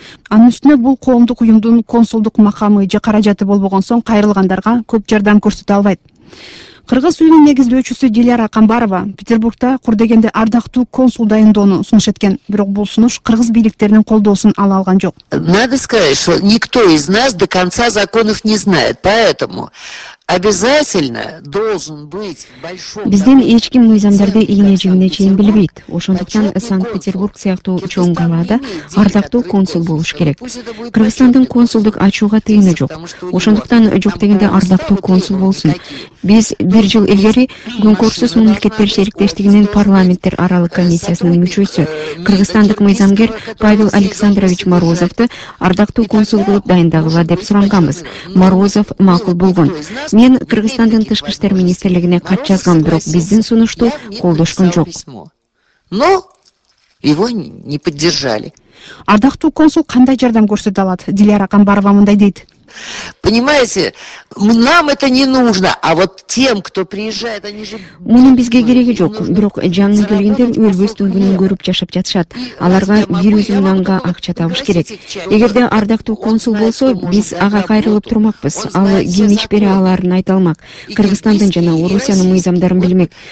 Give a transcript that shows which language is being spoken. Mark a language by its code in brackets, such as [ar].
[ky] Анын үстүнө бул коомдук уюмдун консулдук макамы же каражаты болбогон соң кайрылгандарга көп жардам көрсөтө албайт. Кыргыз үйүнүн негиздөөчүсү Диляра Камбарова Петербургда кур дегенде ардактуу консул дайындоону сунуш эткен. Бирок бул сунуш кыргыз бийликтеринин колдоосун ала алган жок. [ru] Надо сказать, что никто из нас до конца законов не знает. Поэтому обязательно должен быть большой. [ky] Бизден эч ким мыйзамдарды ийне жигине чейин билбейт. Ошондуктан Санкт-Петербург сыяктуу чоң калада ардактуу консул болуш керек. Кыргызстандын консулдук ачууга тыйыны жок. Ошондуктан жок дегенде ардактуу консул болсун. Биз бир жыл илгери Көңкөрсүз мамлекеттер шериктештигинин парламенттер аралык комиссиясынын мүчөсү кыргызстандык мыйзамгер Павел Александрович Морозовду ардактуу консул кылып дайындагыла деп суранганбыз. Морозов макул болгон. Мен Кыргызстандын тышкы иштер министрлигине кат жазгам, бирок биздин сунушту колдошкон жок. [ru] Но его не поддержали. [ky] Ардактуу консул кандай жардам көрсөтө алат? Диляра Камбарова мындай дейт. [ru] Понимаете, нам это не нужно, а вот тем, кто приезжает, они же... [ky] Мунун бизге кереги жок, бирок жаңы келгендер өлбөс түнгүнүн көрүп жашап жатышат. Аларга 100 000 данга акча табыш керек. Эгерде ардактуу консул болсо, биз ага кайрылып турмакпыз. Ал ким иш бере аларын айта алмак. Кыргызстандын жана Орусиянын мыйзамдарын билмек.